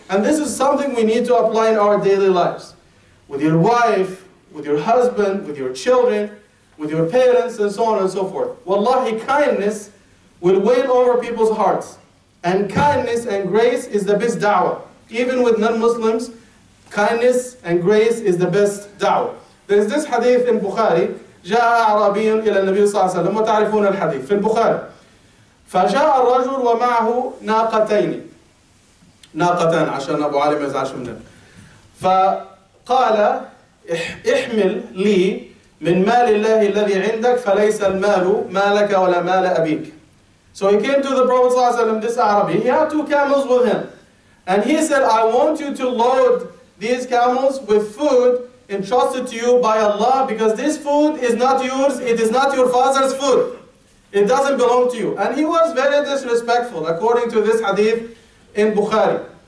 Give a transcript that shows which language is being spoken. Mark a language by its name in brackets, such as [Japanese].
[English] And this is something we need to apply in our daily lives. With your wife, with your husband, with your children, with your parents, and so on and so forth. Wallahi, kindness will win over people's hearts. And kindness and grace is the best da'wah. Even with non-Muslims, kindness and grace is the best da'wah. There is this hadith in Bukhari. [Arabic] جاء أعرابي إلى النبي صلى الله عليه وسلم وتعرفون الحديث في البخاري. فجاء الرجل ومعه ناقتين. ناقتان عشان أبو علي ما يزعلش مننا. فقال احمل لي من مال الله الذي عندك فليس المال مالك ولا مال أبيك. [English] So he came to the Prophet صلى الله عليه وسلم, this Arabi. He had two camels with him. And he said, I want you to load these camels with food entrusted to you by Allah, because this food is not yours, it is not your father's food. It doesn't belong to you. And he was very disrespectful, according to this hadith in Bukhari.